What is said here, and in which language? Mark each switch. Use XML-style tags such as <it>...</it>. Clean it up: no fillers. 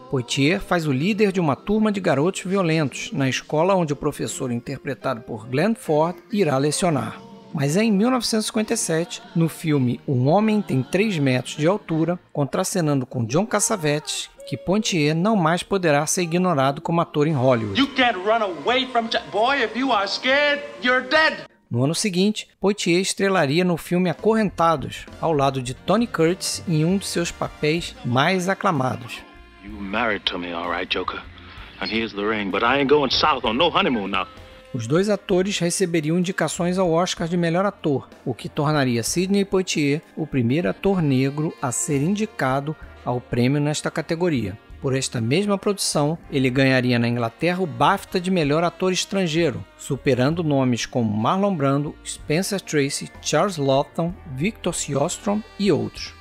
<pt>Poitier faz o líder de uma turma de garotos violentos na escola onde o professor interpretado por Glenn Ford irá lecionar. Mas é em 1957, no filme Um Homem Tem 3 Metros de Altura, contracenando com John Cassavetes, que Poitier não mais poderá ser ignorado como ator em Hollywood.</pt> <en>You can't run away from boy, if you are scared, you're dead.</en> <pt>No ano seguinte, Poitier estrelaria no filme Acorrentados, ao lado de Tony Curtis em um de seus papéis mais aclamados.</pt> <en>You married to me, all right, Joker. And here's the ring, but I ain't going south on no honeymoon now.</en> <pt>Os dois atores receberiam indicações ao Oscar de melhor ator, o que tornaria Sidney Poitier o primeiro ator negro a ser indicado ao prêmio nesta categoria. Por esta mesma produção, ele ganharia na Inglaterra o BAFTA de melhor ator estrangeiro, superando nomes como Marlon Brando, Spencer Tracy, Charles Laughton, Victor Sjostrom e outros.</pt>